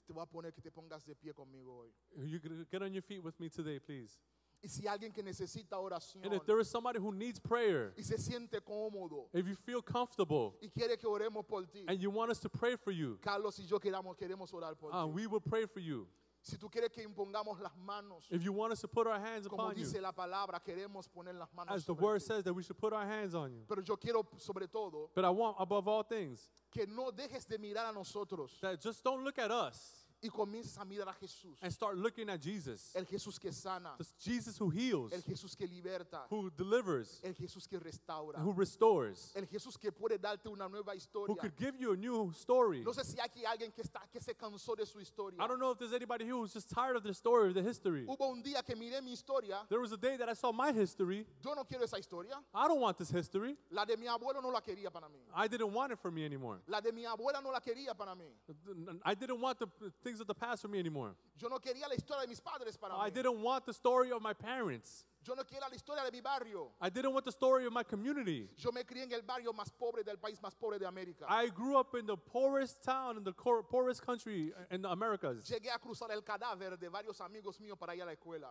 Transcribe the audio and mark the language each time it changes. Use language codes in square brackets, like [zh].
[es] Te voy a poner que te pongas de pie conmigo hoy. [en] You get on your feet with me today, please. [es] Y si alguien que necesita oración, [en] and if there is somebody who needs prayer, [es] y se siente cómodo, [en] if you feel comfortable, [es] y quiere que oremos por ti, [en] and you want us to pray for you, [es] Carlos y yo queremos orar por ti. [en] We will pray for you. [es] Si tú quieres que impongamos las manos, [en] if you want us to put our hands upon [es] como dice [en] you, [es] la palabra, queremos poner las manos [en] as [es] sobre [en] the word [es] ti. [en] Says that we should put our hands on you. [es] Pero yo quiero, sobre todo, [en] but I want, above all things, [es] que no dejes de mirar a nosotros, [en] that just don't look at us. [es] Y comienza a mirar a Jesús. [en] And start looking at Jesus. [es] El Jesús que sana. [en] The Jesus who heals. [es] El Jesús que liberta. [en] Who delivers. [es] El Jesús que restaura. [en] Who restores. [es] El Jesús que puede darte una nueva historia. [en] Who could give you a new story. [es] No sé si hay alguien que está que se cansó de su historia. [en] I don't know if there's anybody here who's just tired of the story, the history. [es] Hubo un día que miré mi historia. [en] There was a day that I saw my history. [es] Yo no quiero esa historia. [en] I don't want this history. [es] La de mi abuelo no la quería para mí. [en] I didn't want it for me anymore. [es] La de mi abuela no la quería para mí. [en] I didn't want the thing of the past for me anymore. [es] Yo no quería la historia de mis padres para mí. [en] I didn't want the story of my parents. [es] Yo no quería la historia de mi barrio. [en] I didn't want the story of my community. [es] Yo me crié en el barrio más pobre del país más pobre de América. [en] I grew up in the poorest town in the poorest country in the Americas. [es] Llegué a cruzar el cadáver de varios amigos míos para ir a la escuela.